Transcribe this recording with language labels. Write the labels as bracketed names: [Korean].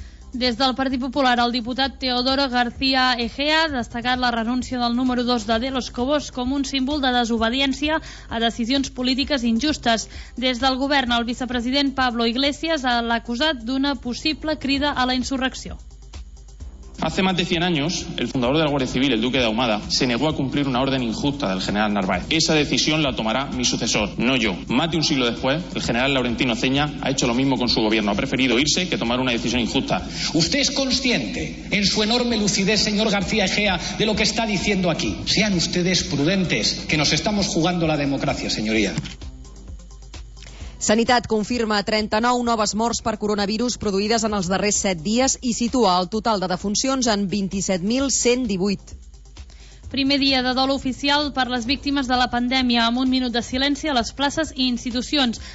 [Catalan] Des del Partit Popular, el diputat Teodoro García Egea ha destacat la renúncia del número 2 de los Cobos com un símbol de desobediència a decisions polítiques injustes. Des del govern, el vicepresident Pablo Iglesias l'ha acusat d'una possible crida a la insurrecció. [Spanish] Hace más de 100 años, el fundador de la Guardia Civil, el duque de Ahumada, se negó a cumplir una orden injusta del general Narváez. Esa decisión la tomará mi sucesor, no yo. Más de un siglo después, el general Laurentino Ceña ha hecho lo mismo con su gobierno. Ha preferido irse que tomar una decisión injusta. ¿Usted es consciente, en su enorme lucidez, señor García Egea, de lo que está diciendo aquí? Sean ustedes prudentes, que nos estamos jugando la democracia, señoría. [Catalan] Sanitat confirma 39 noves morts per coronavirus produïdes en els darrers 7 dies i situa el total de defuncions en 27.118. Primer dia de dol oficial per les víctimes de la pandèmia, amb un minut de silenci a les places i institucions.